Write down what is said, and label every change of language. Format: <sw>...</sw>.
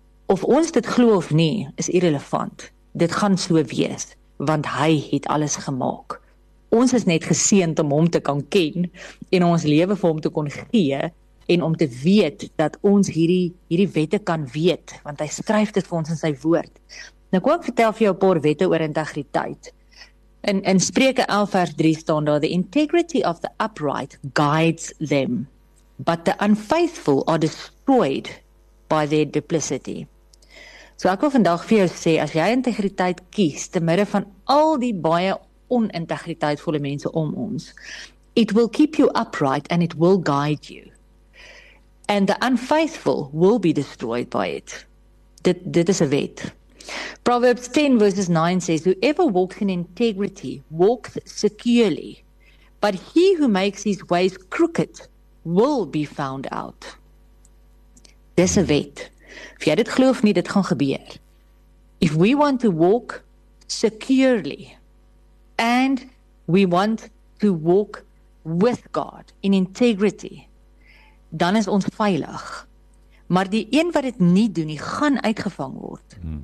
<af>Of ons dit glo of nie, is irrelevant. Dit gaan so wees, want hy het alles gemaak. Ons is net geseend om hom te kan ken en ons lewe vir hom te kon gee en om te weet dat ons hierdie wette kan weet, want hy skryf dit vir ons in sy woord. Nou kom ek vertel vir jou 'n paar wette oor integriteit. In Spreuke 11 vers 3 staan daar,</af> <en>"The integrity of the upright guides them, but the unfaithful are destroyed by their duplicity."</en> <af>So ek wil vandag vir jou sê, as jy integriteit kies, te midde van al die baie onintegriteitvolle mense om ons,</af> <en>it will keep you upright and it will guide you. And the unfaithful will be destroyed by it.</en> <af>Dit is a wet.</af> <en>Proverbs 10 verses 9 says, "Whoever walks in integrity walks securely, but he who makes his ways crooked will be found out."</en> <af>Dis 'n wet. Of jy dit glo of nie, dit gaan gebeur.</af> <en>If we want to walk securely and we want to walk with God in integrity,</en> <af>dan is ons veilig. Maar die een wat dit nie doen nie, gaan uitgevang word.</af>